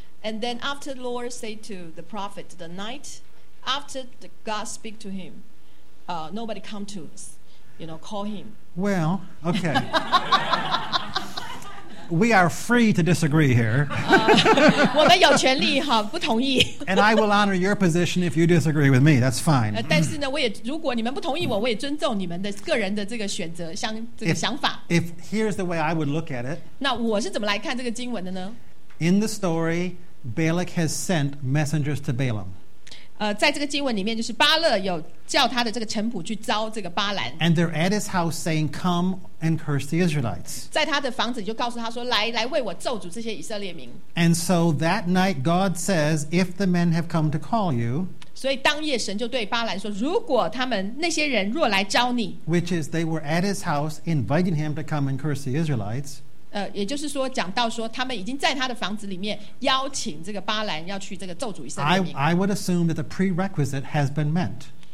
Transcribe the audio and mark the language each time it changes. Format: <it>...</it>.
<en>And then after the Lord said to the prophet, the night after the God speak to him, nobody come to, you know, call him. Well, okay. We are free to disagree here.</en> <zh>我们有权利哈, 不同意。</zh> <en>And I will honor your position if you disagree with me. That's fine.</en> <zh>但是呢, 我也, 如果你们不同意我, 我也尊重你们的个人的这个选择, 像, 这个想法。</zh> <en>If here's the way I would look at it.</en> <zh>那我是怎么来看这个经文的呢?</zh> <en>In the story, Balak has sent messengers to Balaam.</en> <zh>在这个经文里面, 就是巴勒有叫他的这个臣仆去招这个巴兰。</zh> <en>And they're at his house saying, come and curse the Israelites.</en> <zh>在他的房子就告诉他说, 来, 来为我咒诅这些以色列民。</zh> <en>And so that night God says, if the men have come to call you,</en> <zh>所以当夜神就对巴兰说, 如果他们那些人若来招你,</zh> <en>which is they were at his house inviting him to come and curse the Israelites,</en> <zh>也就是说讲到说他们已经在他的房子里面邀请这个巴兰要去这个咒诅以色列民。</zh> <en>I would assume that the prerequisite has been met.</en>